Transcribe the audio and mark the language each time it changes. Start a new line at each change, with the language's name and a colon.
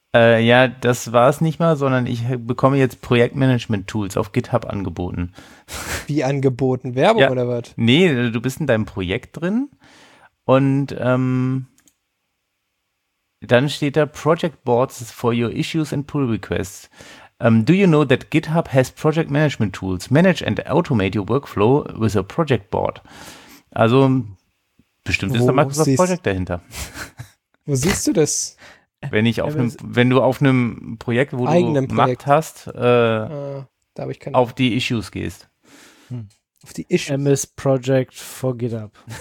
German: Ja, das war es nicht mal, sondern ich bekomme jetzt Projektmanagement-Tools auf GitHub angeboten. Wie angeboten? Werbung ja, oder was? Nee, du bist in deinem Projekt drin und dann steht da
English: Project Boards for your issues and pull requests. Do you know that GitHub has project management tools? Manage and automate your workflow with a project board.
German: Also, bestimmt ist da Microsoft Project dahinter. Wo siehst du das? Wenn du auf einem Projekt, wo Projekt. Du Macht hast, da hab ich keine auf die Issues gehst. Auf die Issues.
English: MS Project for GitHub.